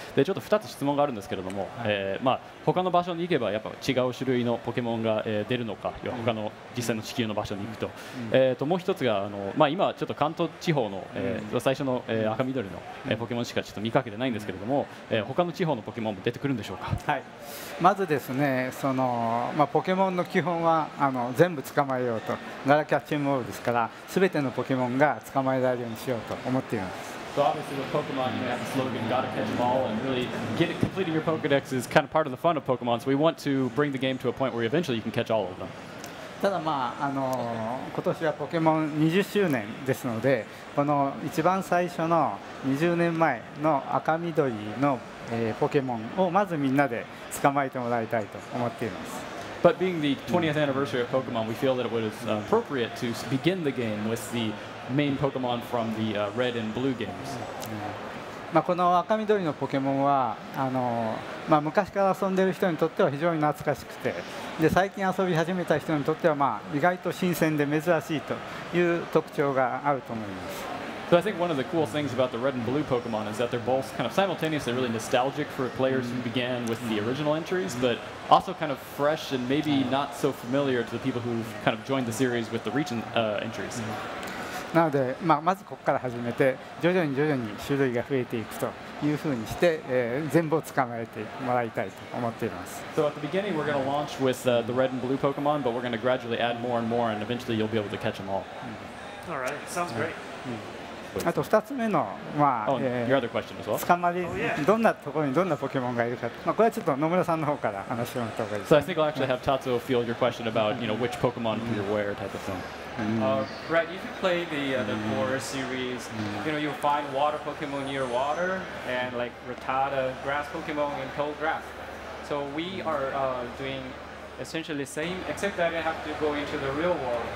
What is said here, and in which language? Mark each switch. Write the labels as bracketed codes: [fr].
[ja] でちょっと2つ質問があるんですけれども、まあ、他の場所に行けばやっぱ違う種類のポケモンが、出るのか、要は他の実際の地球の場所に行くと、もう1つがあの、まあ、今ちょっと関東地方の、最初の、赤緑の、ポケモンしかちょっと見かけてないんですけれども、他の地方のポケモンも出てくるんでしょうか。はい、まずですね、その、まあ、ポケモンの基本はあの全部捕まえようと、ガラキャッチモールですから、すべてのポケモンが捕まえられるようにしようと思っています。 [en] So obviously with Pokemon you have the slogan Gotta catch them all, and really completing your Pokedex is kind of part of the fun of Pokemon, so we want to bring the game to a point where eventually you can catch all of them. [ja] ただ、まあ、今年はポケモン20周年ですので、この一番最初の20年前の赤緑の、ポケモンをまずみんなで捕まえてもらいたいと思っています。 [en] But being the 20th anniversary of Pokemon, we feel that it was appropriate to begin the game with the main Pokemon from the red and blue games. [ja] まあ、この赤緑のポケモンはまあ、昔から遊んでいる人にとっては非常に懐かしくて、で最近遊び始めた人にとっては、まあ、意外と新鮮で珍しいという特徴があると思います。 [en] So I think one of the cool things about the red and blue Pokemon is that they're both kind of simultaneously really nostalgic for players who began with the original entries, but also kind of fresh and maybe not so familiar to the people who've kind of joined the series with the recent entries. [ja] なので、まあ、まずここから始めて徐々に種類が増えていくというふうにして、全部を捕まえてもらいたいと思っています。 [en] So at the beginning we're going to launch with the red and blue Pokemon, but we're going to gradually add more and more, and eventually you'll be able to catch them all. All right, sounds great. [ja] あと2つ目の、まあ捕まり、どんなところにどんなポケモンがいるか、まあ、これはちょっと野村さんの方から話してもらった方がいいです。 [en] So I think I'll actually have Tatsuo field your question about, you know, which Pokemon to where type of thing. Right, you can play the more series. You know, you'll find water Pokemon near water, and like Rattata, grass Pokemon, and toad grass. So we are doing essentially the same, except that you have to go into the real world.